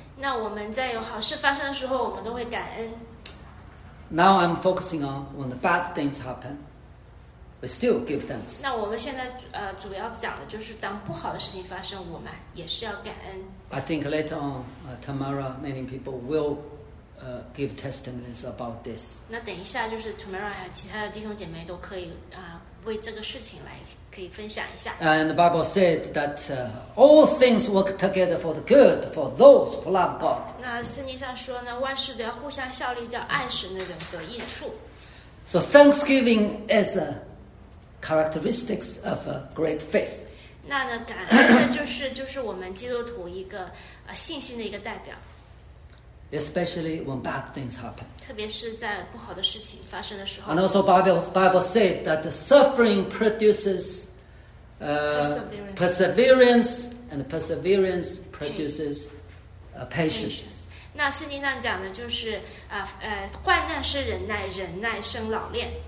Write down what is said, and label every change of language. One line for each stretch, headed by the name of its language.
Chinese: 那我们在有好事发生的时候，我们都会感恩。
English: Now I'm focusing on when the bad things happen, we still give thanks.
Chinese: 那我们现在主要讲的就是当不好的事情发生，我们也是要感恩。
English: I think later on, Tamara, many people will give testimonies about this.
Chinese: 那等一下就是 Tamara 还有其他的弟兄姐妹都可以为这个事情来可以分享一下。
English: And the Bible said that all things work together for the good for those who love God.
Chinese: 那圣经上说呢，万事都要互相效力，叫爱神的人得益处。
English: So thanksgiving is a characteristics of a great faith.
Chinese: 那呢，感恩呢，就是我们基督徒一个信心的一个代表。
English: Especially when bad things happen.
Chinese: 特别是在不好的事情发生的时候。
English: And also, Bible said that the suffering produces perseverance, and perseverance produces patience.
Chinese: 那圣经上讲的就是患难是忍耐，忍耐生老练。